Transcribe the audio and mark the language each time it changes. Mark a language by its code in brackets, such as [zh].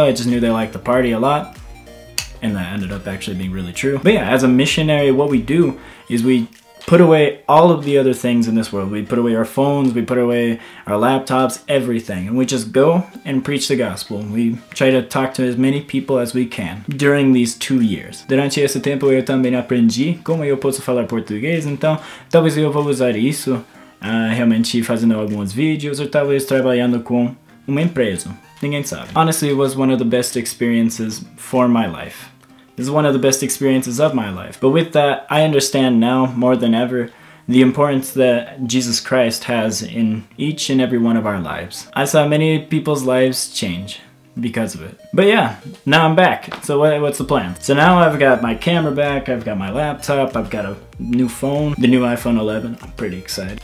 [en] I just knew they liked the party a lot. And that ended up actually being really true. But yeah, as a missionary, what we do is we put away all of the other things in this world. We put away our phones, we put away our laptops, everything. And we just go and preach the gospel. We try to talk to as many people as we can during these 2 years. [pt] Durante esse tempo, eu também aprendi como eu posso falar português. Então, talvez eu vou usar isso realmente fazendo alguns vídeos ou talvez trabalhando com uma empresa. Ninguém sabe. [en] Honestly, it was one of the best experiences for my life. This is one of the best experiences of my life. But with that, I understand now more than ever the importance that Jesus Christ has in each and every one of our lives. I saw many people's lives change because of it. But yeah, now I'm back. So what's the plan? So now I've got my camera back, I've got my laptop, I've got a new phone, the new iPhone 11. I'm pretty excited.